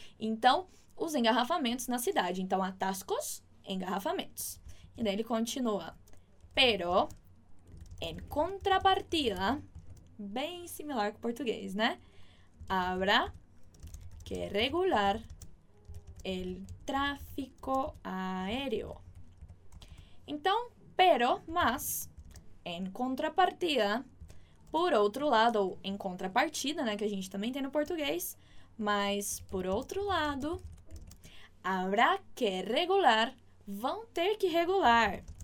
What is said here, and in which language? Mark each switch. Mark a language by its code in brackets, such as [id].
[pt] Então, os engarrafamentos na cidade. Então, atascos, engarrafamentos. E daí ele continua. [es] Pero, en contrapartida, [pt] bem similar com o português, né? [es] Habrá que regular el tráfico aéreo. [pt] Então, pero, mas, [es] en contrapartida, [pt] por outro lado, ou em contrapartida, né? Que a gente também tem no português. Mas, por outro lado, [es] habrá que regular, [pt] vão ter que regular.